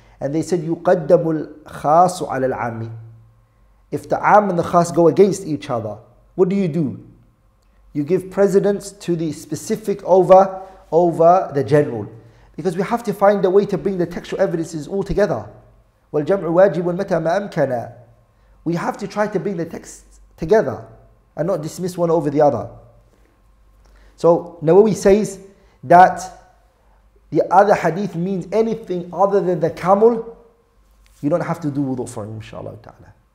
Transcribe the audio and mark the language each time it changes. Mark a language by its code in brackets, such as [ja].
[en] And they said, [ar] يُقَدَّمُ الْخَاسُ عَلَى الْعَامِ. [en] If the Am and the Khas go against each other, what do? You give precedence to the specific over the general. Because we have to find a way to bring the textual evidences all together. [ar] وَالْجَمْعُ وَاجِبٌ مَتَى مَا أَمْكَنَا. [en] We have to try to bring the text together and not dismiss one over the other. So Nawawi says that the other hadith means anything other than the camel, you don't have to do wudu for him, inshaAllah ta'ala.